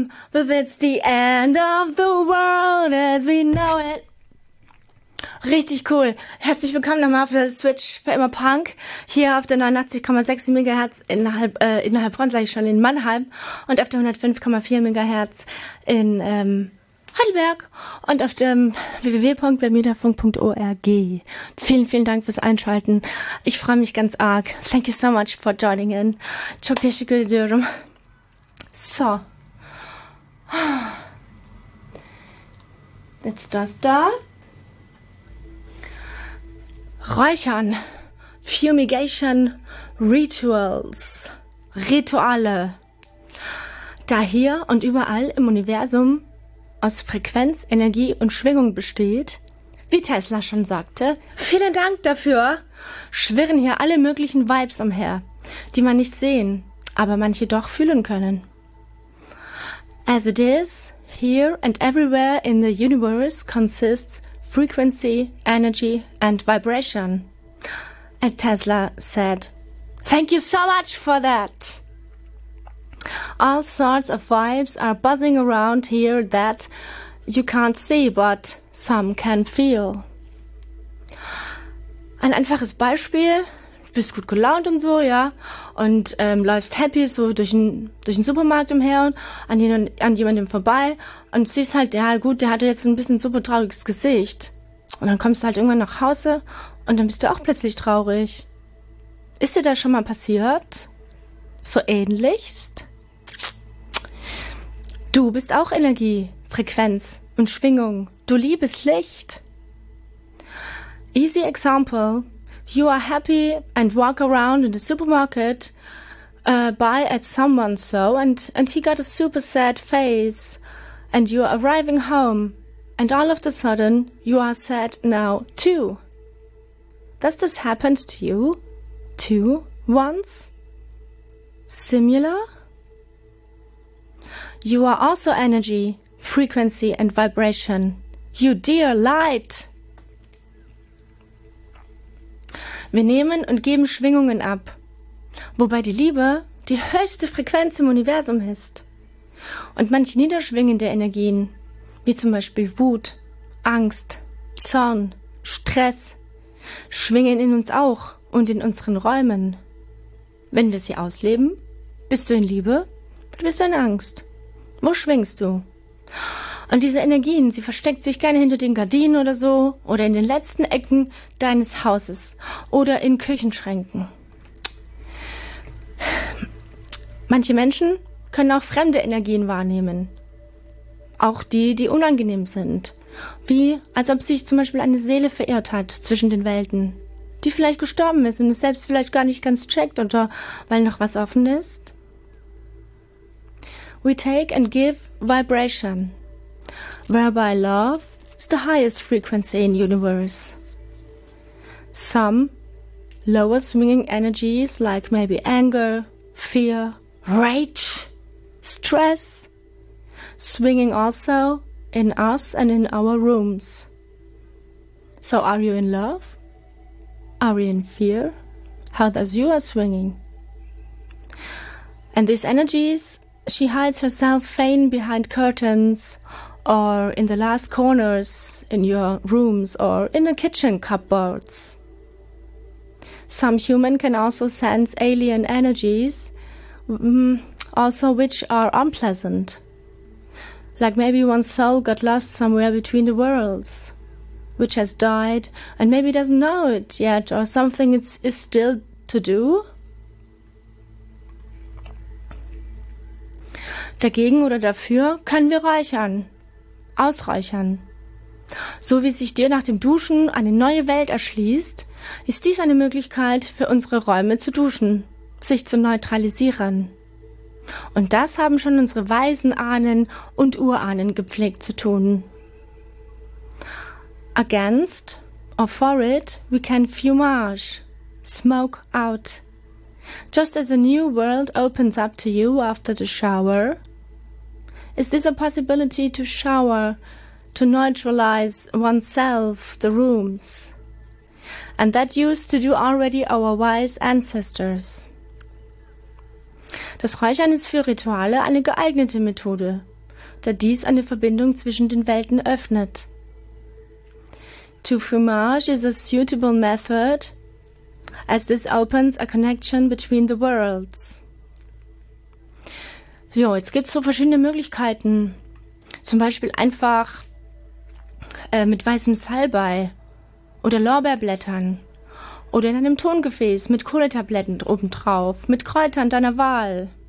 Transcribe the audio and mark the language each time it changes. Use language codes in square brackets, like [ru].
[en] But it's the end of the world as we know it. [de] Richtig cool. Herzlich willkommen nochmal auf der Switch für immer Punk. Hier auf der 89,6 MHz innerhalb von, sage ich schon, in Mannheim. Und auf der 105,4 MHz in Heidelberg. Und auf dem www.bermudafunk.org. Vielen, vielen Dank fürs Einschalten. Ich freue mich ganz arg. [en] Thank you so much for joining in. [tr] Çok teşekkür ediyorum. So. [de] Jetzt das da. Räuchern. [en] Fumigation Rituals. [de] Rituale. Da hier und überall im Universum aus Frequenz, Energie und Schwingung besteht, wie Tesla schon sagte, vielen Dank dafür, schwirren hier alle möglichen Vibes umher, die man nicht sehen, aber manche doch fühlen können. [en] As it is, here and everywhere in the universe consists frequency, energy and vibration. And Tesla said, thank you so much for that. All sorts of vibes are buzzing around here that you can't see, but some can feel. [de] Ein einfaches Beispiel. Du bist gut gelaunt und so, ja, und läufst happy so durch den Supermarkt umher und an jemandem vorbei und siehst halt, ja gut, der hatte jetzt ein bisschen super trauriges Gesicht. Und dann kommst du halt irgendwann nach Hause und dann bist du auch plötzlich traurig. Ist dir das schon mal passiert? So ähnlichst? Du bist auch Energie, Frequenz und Schwingung. Du liebes Licht. [en] Easy example. You are happy and walk around in the supermarket, buy at someone's so, and he got a super sad face, and you are arriving home, and all of a sudden, you are sad now too. Does this happen to you too once? Similar? You are also energy, frequency and vibration. You dear light! [de] Wir nehmen und geben Schwingungen ab, wobei die Liebe die höchste Frequenz im Universum ist. Und manche niederschwingende Energien, wie zum Beispiel Wut, Angst, Zorn, Stress, schwingen in uns auch und in unseren Räumen. Wenn wir sie ausleben, bist du in Liebe oder bist du in Angst? Wo schwingst du? Und diese Energien, sie versteckt sich gerne hinter den Gardinen oder so oder in den letzten Ecken deines Hauses oder in Küchenschränken. Manche Menschen können auch fremde Energien wahrnehmen. Auch die, die unangenehm sind. Wie als ob sich zum Beispiel eine Seele verirrt hat zwischen den Welten, die vielleicht gestorben ist und es selbst vielleicht gar nicht ganz checkt oder weil noch was offen ist. [en] We take and give vibration, whereby love is the highest frequency in universe. Some lower swinging energies like maybe anger, fear, rage, stress, swinging also in us and in our rooms. So are you in love? Are you in fear? How does you are swinging? And these energies, she hides herself fain behind curtains or in the last corners in your rooms or in the kitchen cupboards. Some human can also sense alien energies, also which are unpleasant. Like maybe one soul got lost somewhere between the worlds, which has died and maybe doesn't know it yet or something is still to do. [de] Dagegen oder dafür können wir räuchern, ausräuchern. So wie sich dir nach dem Duschen eine neue Welt erschließt, ist dies eine Möglichkeit für unsere Räume zu duschen, sich zu neutralisieren. Und das haben schon unsere weisen Ahnen und Urahnen gepflegt zu tun. [en] Against or for it, we can fumage, smoke out. Just as a new world opens up to you after the shower, is this a possibility to shower, to neutralize oneself, the rooms? And that used to do already our wise ancestors. [de] Das Räuchern ist für Rituale eine geeignete Methode, da dies eine Verbindung zwischen den Welten öffnet. [en] To fumage is a suitable method, as this opens a connection between the worlds. [de] Jo, jetzt gibt's so verschiedene Möglichkeiten. Zum Beispiel einfach mit weißem Salbei oder Lorbeerblättern. Oder in einem Tongefäß mit Kohletabletten obendrauf, mit Kräutern deiner Wahl.